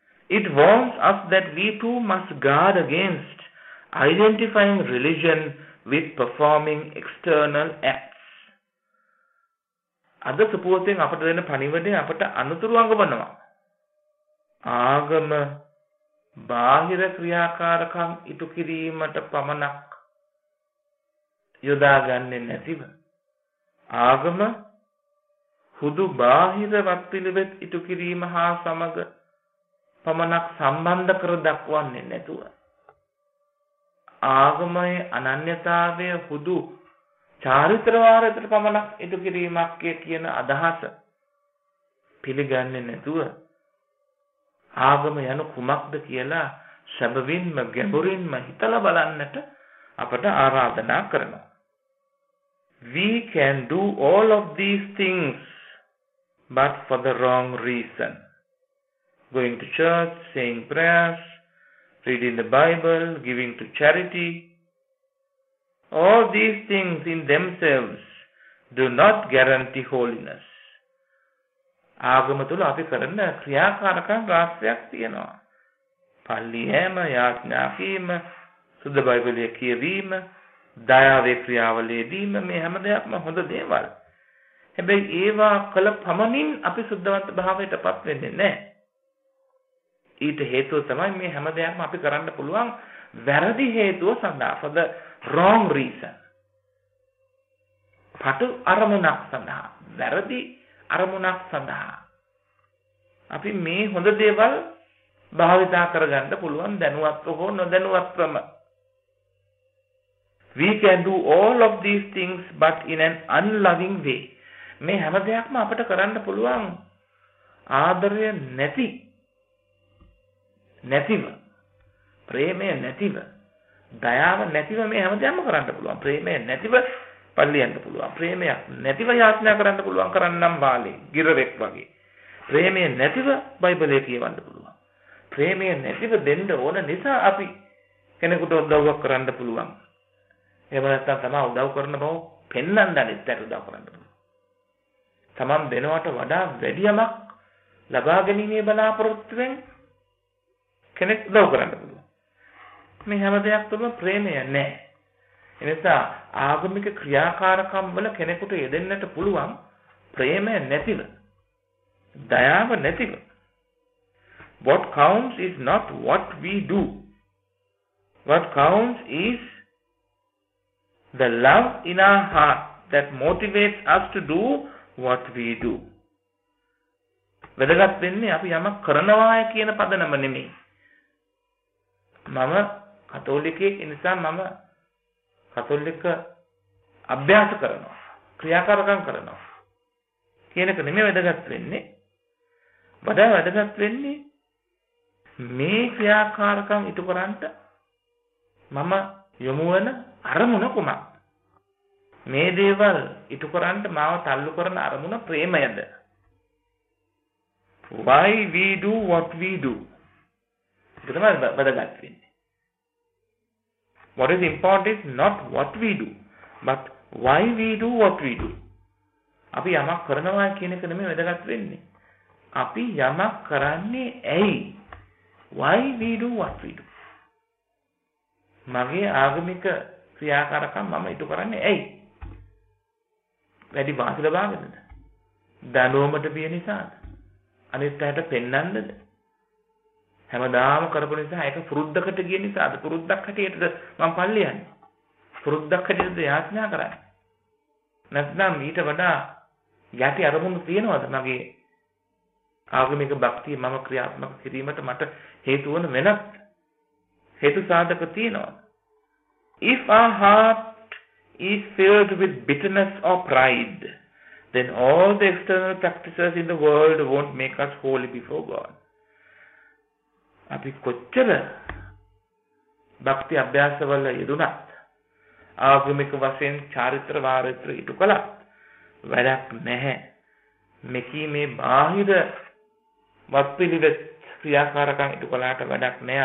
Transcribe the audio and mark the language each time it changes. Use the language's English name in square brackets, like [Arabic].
[English] It warns us that we too must guard against identifying religion with performing external acts. [Sinhala] අද සුපුවතෙන් අපට දෙන පණිවිඩය අපට අනුතුරු අඟවනවා. ආගම බාහිර ක්‍රියාකාරකම් ඉටු කිරීමට පමණක් යොදාගන්නේ නැතිව ආගම හුදු බාහිර වත්පිළිවෙත් ඉටු කිරීම හා සමග පමණක් සම්බන්ධ කර දක්වන්නේ නැතුව ආගමයේ අනන්‍යතාවය හුදු චාරිත්‍ර වාරයට පමණක් ඉටු කිරීමක් කියන අදහස පිළිගන්නේ නැතුව ආගම යන කුමක්ද කියලා සැබවින්ම ගැඹුරින්ම හිතලා බලන්නට අපට ආරාධනා කරනවා. [English] We can do all of these things, but for the wrong reason. Going to church, saying prayers, reading the Bible, giving to charity. All these things in themselves do not guarantee holiness. [Sinhala] ආගම තුළ අපි කරන ක්‍රියාකාරකම් රාශියක් තියෙනවා. පල්ලියෑම, යාඥා කිරීම, සුද්ධ බයිබලය කියවීම, දයාවේ ක්‍රියාවලියදීම, මේ හැම දෙයක්ම හොඳ දේවල්. හැබැයි ඒවා කළ පමණින් අපි සුද්ධවන්ත භාවයට පත් වෙන්නේ නැහැ. ඊට හේතුව තමයි මේ හැම දෙයක්ම අපි කරන්න පුළුවන් වැරදි හේතුව සඳහා, [English] for the wrong reason. [Sinhala] පටු අරමුණක් සඳහා, වැරදි අරමුණක් සඳහා අපි මේ හොඳ දේවල් භාවිතා කරගන්න පුළුවන් දැනුවත්ව හෝ නොදැනුවත්වම. We can do all of these things but in an unloving way. මේ හැම දෙයක්ම අපට කරන්න පුළුවන් ආදරය නැතිව, ප්‍රේමය නැතිව, දයාව නැතිව මේ හැම දෙයක්ම කරන්න පුළුවන්. ප්‍රේමය නැතිව පල්ලියෙන්ද පුළුවන්, ප්‍රේමයක් නැතිව යාඥා කරන්න පුළුවන් කරන්නම් බාලේ ගිරවෙක් වගේ. ප්‍රේමය නැතිව බයිබලයේ කියවන්න පුළුවන්. ප්‍රේමය නැතිව දෙන්න ඕන නිසා අපි කෙනෙකුට උදව්වක් කරන්න පුළුවන්. එහෙම නැත්නම් තමයි උදව් කරන බව පෙන්වන්න දැනෙත් ඇට උදව් කරන්න පුළුවන්. තමන් දෙනවට වඩා වැඩියමක් ලබා ගැනීමේ බලාපොරොත්තුවෙන් කෙනෙක් උදව් කරන්න පුළුවන්. මේ හැම දෙයක් තුළ ප්‍රේමය නැහැ. එනිසා ආගමික ක්‍රියාකාරකම් වල කෙනෙකුට යෙදෙන්නට පුළුවන් ප්‍රේමය නැතිව, දයාව නැතිව. [English] What counts is not what we do. What counts is the love in our heart that motivates us to do what we do. [Sinhala] වැදගත් වෙන්නේ අපි යමක් කරනවා කියන පදනම නෙමෙයි. මම කතෝලිකයෙක් නිසා මම කතෝලික අභ්‍යාස කරනවා, ක්‍රියාකාරකම් කරනවා කියන එක නෙමෙයි වැදගත් වෙන්නේ. වඩා වැදගත් වෙන්නේ මේ ක්‍රියාකාරකම් ඉටු කරන්ට මම යොමු වෙන අරමුණ කුමක්ද? මේ දේවල් ඉටු කරන්ට මාව තල්ලු කරන අරමුණ ප්‍රේමයද? [English] Why we do what we do? [Sinhala] ඒක තමයි වැදගත් වෙන්නේ. [English] What is important is not what we do, but why we do what we do. [Sinhala] අපි යමක් කරනවා කියන එක නෙමෙයි වැදගත් වෙන්නේ. අපි යමක් කරන්නේ ඇයි? [English] Why we do what we do? [Sinhala] මගේ ආගමික ක්‍රියාකාරකම් මම ඉටු කරන්නේ ඇයි? වැඩි වාසි ලබාගන්නද? දැනුවමට බිය නිසාද? අනිත් අයට පෙන්නන්නද? හැමදාම කරපු නිසා ඒක පුරුද්දකට ගිය නිසාද? පුරුද්දක් හැටියටද මම පල්ලි යන්නේ? පුරුද්දක් හැටියටද යාඥා කරන්නේ? නැත්නම් ඊට වඩා යටි අරමුණු තියෙනවද මගේ ආගමික භක්තිය මම ක්‍රියාත්මක කිරීමට මට හේතු වන වෙනත් හේතු සාධක තියෙනවද? [English] If our heart is filled with bitterness or pride, then all the external practices in the world won't make us holy before God. [Sinhala] අපි කොච්චර භක්ති අභ්‍යාසවල යෙදුණත් ආගමික වශයෙන් චාරිත්‍ර වාරිත්‍ර ඉටු කළත් වැඩක් නැහැ. මෙකී මේ බාහිර වත්පිළිවෙත් ක්‍රියාකාරකම් ඉටු කළාට වැඩක් නැහැ.